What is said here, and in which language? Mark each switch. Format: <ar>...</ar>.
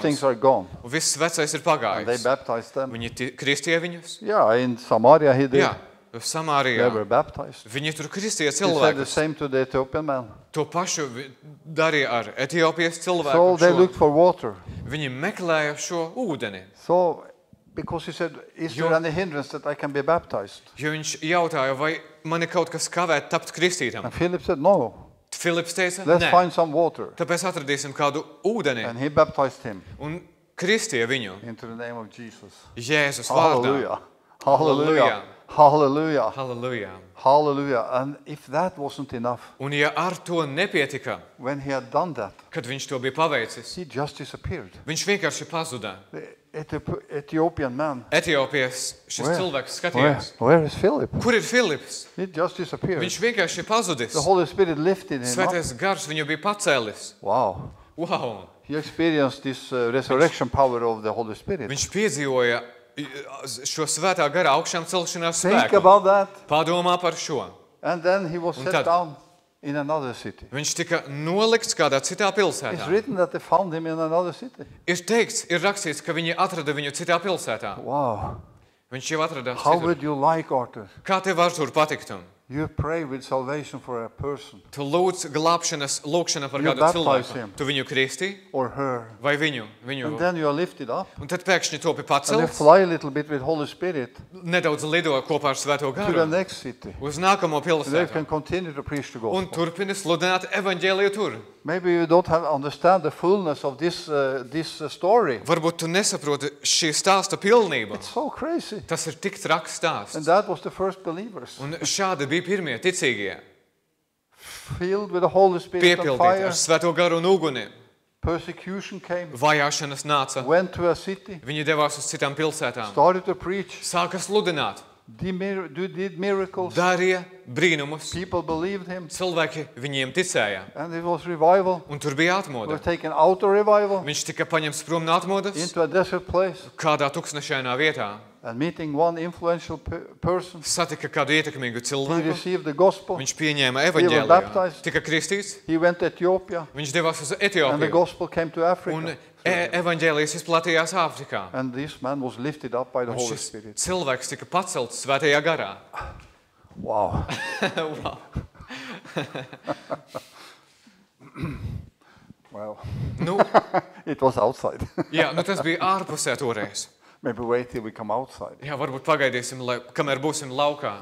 <en>All things are gone.</en> <lv>Un viss vecais ir pagājis.</lv> <en>And they baptized them.</en> <lv>Viņi kristie viņus.</lv> <en>Yeah, in Samaria he did.</en> <lv>Jā. Samārijā. Viņi tur kristīja cilvēkus. To pašu darīja ar Etiopijas cilvēku.</lv> <en>So they looked for water.</en> <lv>Viņi meklēja šo ūdeni.</lv> <en>So because he said, is there any hindrance that I can be baptized?</en> <lv>Jo viņš jautāja, vai man ir kaut kas kavē tapt kristītam.</lv> <en>And Philip said, no.</en> <lv>Philips teica, nē.</lv> <en>Let's find some water.</en> <lv>Tāpēc atradīsim kādu ūdeni.</lv> <en>And he baptized him.</en> <lv>Un kristīja viņu.</lv> <en>Into the name of Jesus.</en> <lv>Jēzus vārdā. Hallelujah. Hallelujah. Hallelujah. Hallelujah.</lv> <en>Hallelujah. And if that wasn't enough.</en> <lv>Un ja ar to nepietika.</lv> <en>When he had done that.</en> <lv>Kad viņš to bija paveicis.</lv> <en>He just disappeared.</en> <lv>Viņš vienkārši pazuda.</lv> <en>Ethiopian man.</en> <lv>Etiopijas šis</lv> <en>Where?</en> <lv>Cilvēks skatījās.</lv> <en>Where is Philip?</en> <lv>Kur ir Philips?</lv> <en>He just disappeared.</en> <lv>Viņš vienkārši pazudis.</lv> <en>The Holy Spirit lifted him up.</en> <lv>Svētais Gars viņu bija pacēlis. Wow. Wow.</lv> <en>He experienced this resurrection power of the Holy Spirit.</en> <lv>Viņš piedzīvoja šo svētā gara augšām celšanās spēku. Padomā par šo.</lv> <en>And then he was set down in another city.</en> <lv>Viņš tika nolikts kādā citā pilsētā.</lv> <en>It's written that they found him in another city.</en> <lv>Ir teikts, ir rakstīts, ka viņi atrada viņu citā pilsētā. Wow. Viņš jau atradās citur.</lv> <en>How would you like, Arthur?</en> <lv>Kā tev var tur patikt?</lv> <en>You pray with salvation for a person.</en> <lv>Tu lūdz glābšanas lūkšana par kādu cilvēku. Tu viņu kristi?</lv> <en>Or her.</en> <lv>Vai viņu.</lv> <en>And then you are lifted up.</en> <lv>Un tad pēkšņi topi pacelts.</lv> <en>And you fly a little bit with Holy Spirit.</en> <lv>Nedaudz lido kopā ar Svēto Garu.</lv> <en>To the next city.</en> <lv>Uz nākamo pilsētu.</lv> <en>They can continue to preach the gospel.</en> <lv>Un turpini sludināt evaņģēliju tur.</lv> <en>Maybe you don't have understand the fullness of this story.</en> <lv>Varbūt tu nesaproti šī stāsta pilnību.</lv> <en>It's so crazy.</en> <lv>Tas ir tik traks stāsts.</lv> <en>And that was the first believers.</en> <lv>Un šādi bija pirmie ticīgie.</lv> <en>Filled with the Holy Spirit and fire.</en> <lv>Piepildīti ar Svēto Garu un uguni.</lv> <en>Persecution came.</en> <lv>Vajāšanas nāca.</lv> <en>Went to a city.</en> <lv>Viņi devās uz citām pilsētām.</lv> <en>Started to preach.</en> <lv>Sāka sludināt.</lv> <en>Did miracles.</en> <lv>Darīja brīnumus.</lv> <en>People believed him.</en> <lv>Cilvēki viņiem ticēja.</lv> <en>And it was revival.</en> <lv>Un tur bija atmoda.</lv> <en>We're taken out of revival.</en> <lv>Viņš tika paņemts prom no atmodas.</lv> <en>Into a desert place.</en> <lv>Kādā tuksnešainā vietā.</lv> <en>and meeting one influential person.</en> <lv>Satika kādu ietekmīgu cilvēku.</lv> <en>He received the gospel.</en> <lv>Viņš pieņēma evaņģēliju. Tika kristīts.</lv> <en>He went to Ethiopia.</en> <lv>Viņš devās uz Etiopiju.</lv> <en>And the gospel came to Africa.</en> <lv>Un evaņģēlijas izplatījās Āfrikā.</lv> <en>And this man was lifted up by the Holy Spirit.</en> <lv>Cilvēks tika pacelts Svētajā garā. Wow.</lv> <en>Well.</en> <lv>Nu,</lv> <en>it was outside.</en> <lv>Jā, nu tas bija ārpusē toreiz.</lv> <en>Maybe wait till we come outside.</en> <lv>Jā, varbūt pagaidīsim, lai kamēr būsim laukā.</lv>